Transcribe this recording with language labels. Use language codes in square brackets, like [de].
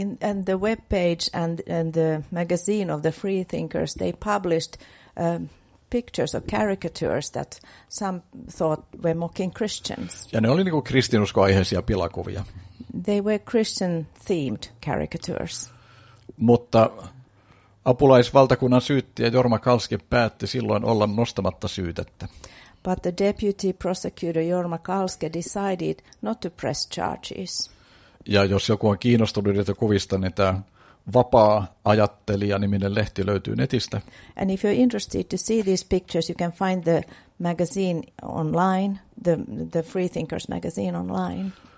[en] And the webpage and the magazine of the free thinkers, they published pictures or caricatures that some thought were mocking Christians. [fi] Ja ne oli niin kuin kristinuskoaiheisia pilakuvia. [en] They were Christian themed caricatures. [fi] Mutta apulaisvaltakunnan syyttäjä Jorma Kalski päätti silloin olla nostamatta syytettä. [en] But the deputy prosecutor Jorma Kalske decided not to press charges. [fi] Ja jos joku on kiinnostunut niitä kuvista, niin tämä Vapaa-ajattelija-niminen lehti löytyy netistä. [en] And if you're interested to see these pictures, you can find the magazine online, the Free Thinkers magazine online.